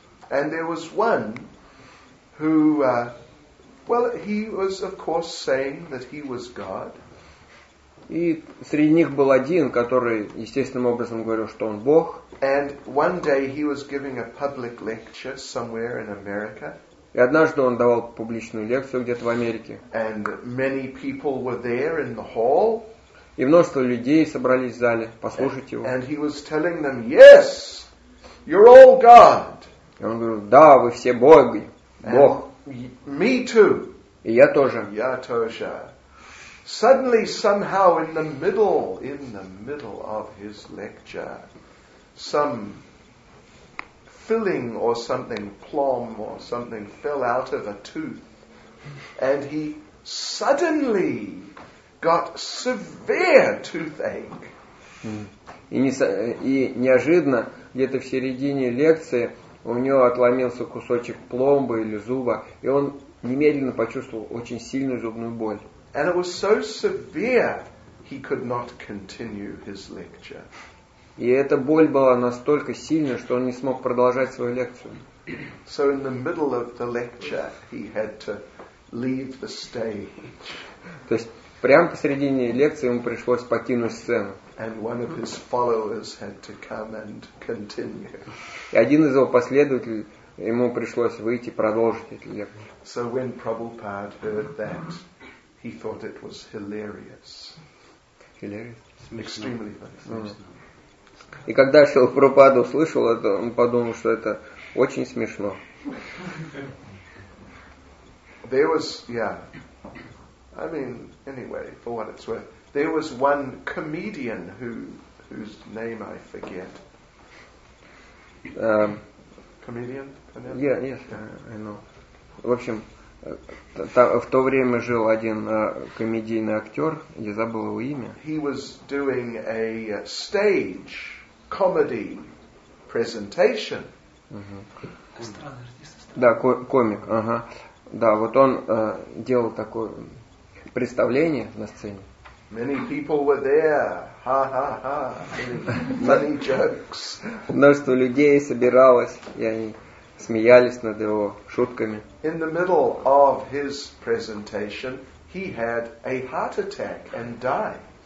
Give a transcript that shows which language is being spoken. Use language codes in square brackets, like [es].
[en] And there was one who, he was, of course, saying that he was God. [ru] И среди них был один, который естественным образом говорил, что он Бог. [en] And one day he was giving a public lecture somewhere in America. [ru] И однажды он давал публичную лекцию где-то в Америке. [en] And many people were there in the hall. [ru] И множество людей собрались в зале послушать его. [en] And he was telling them, yes, you're all God. [ru] И он говорил, да, вы все боги, Бог. [en] Me too. [ru] И я тоже. Я тоже. [en] Suddenly, somehow, in the middle of his lecture, some filling or something, plom or something, fell out of a tooth. And he suddenly got severe toothache. [ru] И неожиданно, где-то в середине лекции, у него отломился кусочек пломбы или зуба, и он немедленно почувствовал очень сильную зубную боль. [en] And it was so severe, he could not continue his lecture. [ru] И эта боль была настолько сильной, что он не смог продолжать свою лекцию. [en] So in the middle of the lecture, he had to leave the stage. [ru] То есть прямо посредине лекции ему пришлось покинуть сцену. [en] And one of his followers had to come and continue. [ru] И один из его последователей, ему пришлось выйти и продолжить эту лекцию. [en] So when Prabhupada heard that, he thought it was hilarious. Hilarious? Extremely funny. [ru] И когда Шрила Прабхупада услышал это, он подумал, что это очень смешно. [en] There was, yeah. I mean, anyway, for what it's worth. There was one comedian whose name I forget. Comedian? Yeah, I know. [ru] В общем, в то время жил один комедийный актер, я забыл его имя. [en] He was doing a stage comedy presentation. [ru] Да, комик, ага. Да, вот он делал такое представление на сцене. [en] Many people were there. Ha ha ha. Many jokes. [ru] Множество людей собиралось, и они смеялись над его шутками. [en] In the middle of his presentation, he had a heart attack and died.